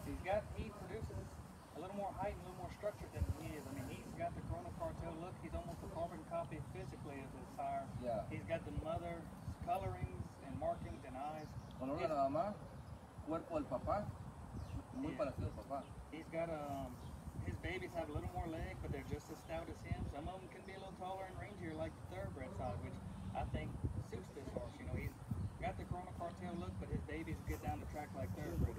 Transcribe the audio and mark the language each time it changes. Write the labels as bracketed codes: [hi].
[en] He produces a little more height and a little more structure than he is. I mean, he's got the Corona Cartel look. He's almost a carbon copy physically of his sire. Yeah. He's got the mother's colorings and markings and eyes. [es] Corona la mamá, cuerpo del papá, muy parecido al papá. [en] He's got his babies have a little more leg, but they're just as stout as him. Some of them can be a little taller and rangier, like the thoroughbred side, which I think suits this horse. You know, he's got the Corona Cartel look, but his babies get down the track like thoroughbreds.